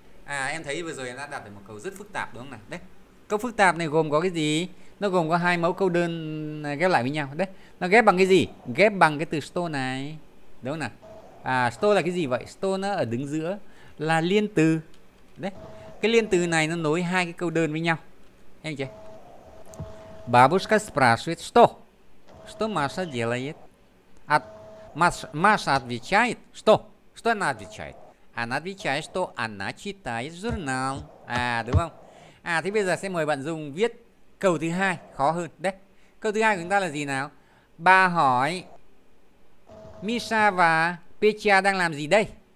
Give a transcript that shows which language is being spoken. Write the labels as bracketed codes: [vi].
[vi] À em thấy vừa rồi em đã đặt được một câu rất phức tạp đúng không nào? Đấy. Câu phức tạp này gồm có cái gì? Nó gồm có hai mẫu câu đơn ghép lại với nhau. Đấy. Nó ghép bằng cái gì? Ghép bằng cái từ что này. Đúng không nào? À что là cái gì vậy? Что nó ở đứng giữa là liên từ. Đấy. Cái liên từ này nó nối hai cái câu đơn với nhau. Em chưa? [ru] Бабушка спрашивает, что? Что Маша делает? От Маша отвечает, что? Что она отвечает? Она отвечает, что она читает журнал. [vi] À, đúng không? À, thì bây giờ sẽ mời bạn Dung viết câu thứ hai, khó hơn. Đấy. Câu thứ hai của chúng ta là gì nào? Bà hỏi Misha và Petya đang làm gì đây?